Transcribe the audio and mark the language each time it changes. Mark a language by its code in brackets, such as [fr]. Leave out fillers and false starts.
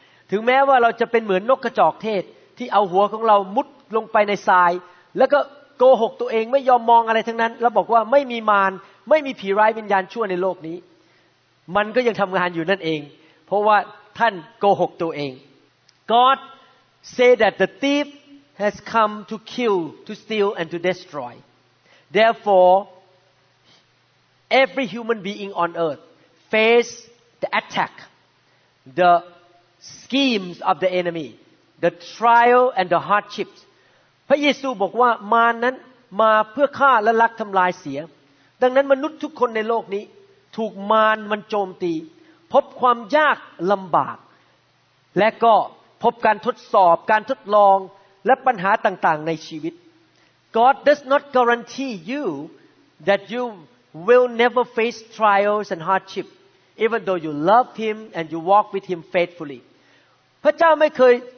[th] ถึงแม้ว่าเราจะเป็นเหมือนนกกระจอกเทศที่เอาหัวของเรามุดลงไปในทรายแล้วก็โกหกตัวเองไม่ยอมมองอะไรทั้งนั้นแล้วบอกว่าไม่มีมารไม่มีผีร้ายวิญญาณชั่วในโลกนี้มันก็ยังทำงานอยู่นั่นเองเพราะว่าท่านโกหกตัวเอง [en] God say that the thief has come to kill, to steal, and to destroy. Therefore, every human being on earth face the attack, the schemes of the enemy, the trial and the hardships. [th] พระเยซูบอกว่ามารนั้นมาเพื่อฆ่าและลักทำลายเสียดังนั้นมนุษย์ทุกคนในโลกนี้ถูกมารมันโจมตีพบความยากลำบากและก็พบการทดสอบการทดลองและปัญหาต่างๆในชีวิต [en] God does not guarantee you that you will never face trials and hardship even though you love him and you walk with him faithfully [th] พระเจ้าไม่เคย